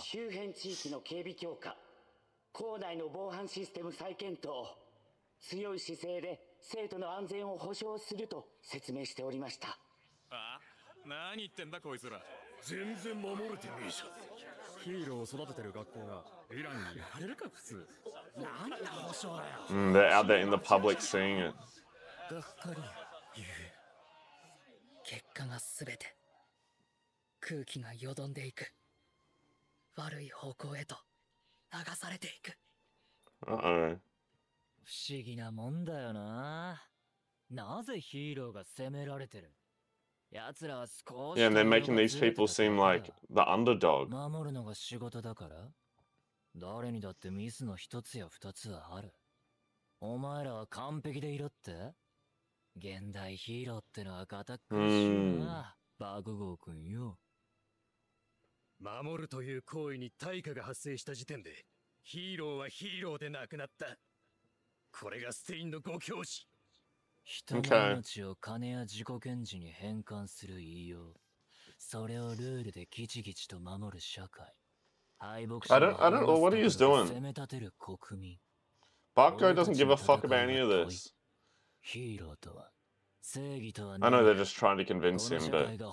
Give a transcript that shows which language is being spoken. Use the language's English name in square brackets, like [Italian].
[Japanese] 周辺地域の警備強化、校内の防犯システム再検討、強い姿勢で生徒の安全を保障すると説明しておりました。あ、何言ってんだこいつら。全然守れてねえじゃん。ヒーローを育ててる学校がヴィランにやれるか普通。なんだ保証だよ。 [English] They're out there in the public seeing it. [Japanese] がっかり。結果がすべて。空気がよどんでいく。悪い方向へと。流されていく。 [English] Uh-oh. [Japanese] 不思議なもんだよな。なぜヒーローが責められてる。やつらは少し。 [English] Yeah, and they're making these people seem like the underdog. [Japanese] 守るのが仕事だから。誰にだってミスの一つや二つはある。お前らは完璧でいろって。現代ヒーローってのは堅苦しいな。バグ号君よ。守るという行為に対価が発生した時点でヒーローはヒーローでなくなった。これがステインのご教示。人の命を金や自己顕示に変換する異様。それをルールでギチギチと守る社会。敗北者は攻め立てる国民。攻め立てる国民。 [English] Bakko doesn't give a fuck about any of this. [Japanese] ヒーローとは [English] know they're just trying to convince him, but...